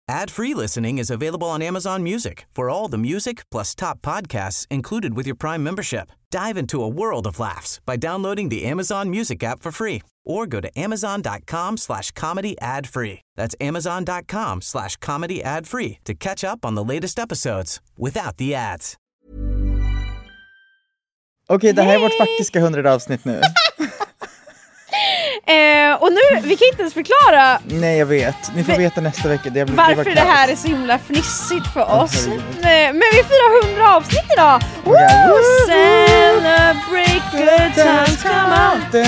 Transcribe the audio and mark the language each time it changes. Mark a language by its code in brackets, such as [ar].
[en] Ad-free listening is available on Amazon Music for all the music plus top podcasts included with your Prime membership. Dive into a world of laughs by downloading the Amazon Music app for free or go to amazon.com/comedyadfree. That's amazon.com/comedyadfree to catch up on the latest episodes without the ads. [sv] Okay, det här är vårt faktiska 100 avsnitt nu. Och nu, vi kan inte ens förklara. Nej, jag vet. Ni får veta nästa vecka. Det varför det här är så himla fnissigt för oss. Men vi firar 100 avsnitt idag. Okay. Woo! [en] Celebrate good times, come on.